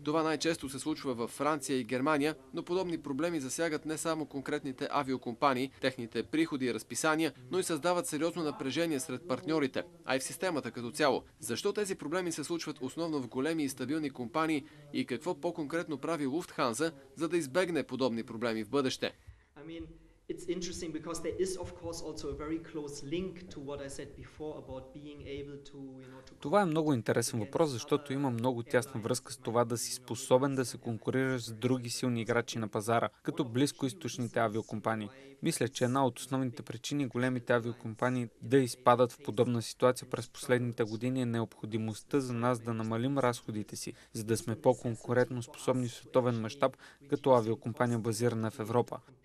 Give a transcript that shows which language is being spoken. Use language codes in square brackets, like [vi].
[bg] Това най-често се случва във Франция и Германия, но подобни проблеми засягат не само конкретните авиокомпании, техните приходи и разписания, но и създават сериозно напрежение сред партньорите, а и в системата като цяло. Защо тези проблеми се случват основно в големи и стабилни компании и какво по-конкретно прави Луфтханза, за да избегне подобни проблеми в бъдеще? [en] It's interesting because there is of course also a very close link to what I said before about being able to, you know, to. [bg] Това е много интересен въпрос, защото има много тясна връзка с това да си способен да се конкурираш с други силни играчи на пазара, като близкоисточните авиокомпании. Мисля, че една от основните причини големите авиокомпании да изпадат в подобна ситуация през последните години е необходимостта за нас да намалим разходите си, за да сме по-конкурентно способни в световен мащаб, като авиокомпания базирана в Европа.